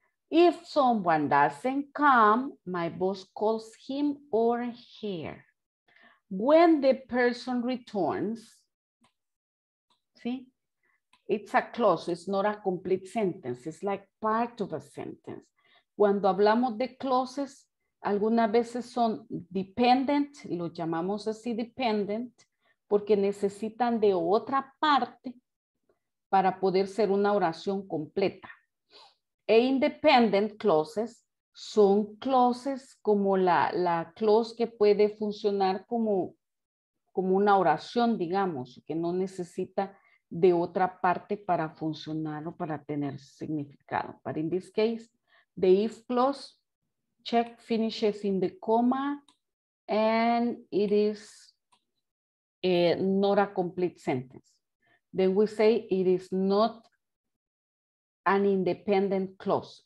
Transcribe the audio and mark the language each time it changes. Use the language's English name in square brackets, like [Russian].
[English] If someone doesn't come, my boss calls him or her. When the person returns, see, it's a clause, it's not a complete sentence, it's like part of a sentence. [Spanish] Cuando hablamos de clauses, algunas veces son dependent, lo llamamos así dependent, porque necesitan de otra parte para poder ser una oración completa. E independent clauses son clauses como la clause que puede funcionar como una oración, digamos, que no necesita de otra parte para funcionar o para tener significado. [English] But in this case, the if clause, check, finishes in the comma, and it is not a complete sentence. Then we say it is not an independent clause.